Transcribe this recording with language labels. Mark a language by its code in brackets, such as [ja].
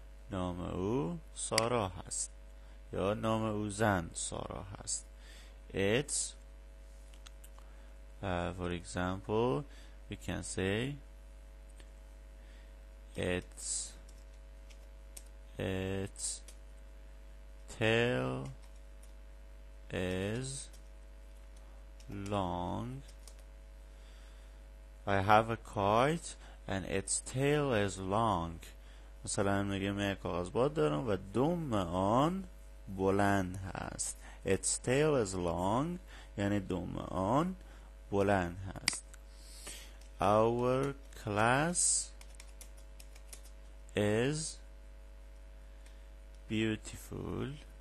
[fa] نام او سارا هست یا نام او زن سارا هست. [en] It's for example we can say it's tail is long. I have a kite and its tail is long. [fa] مثلا میگم یک کاغذباد دارم و دم آن بلند هست. [en] Its tail is long [fa] یعنی دم آن بلند هست. [en] Our class is beautiful.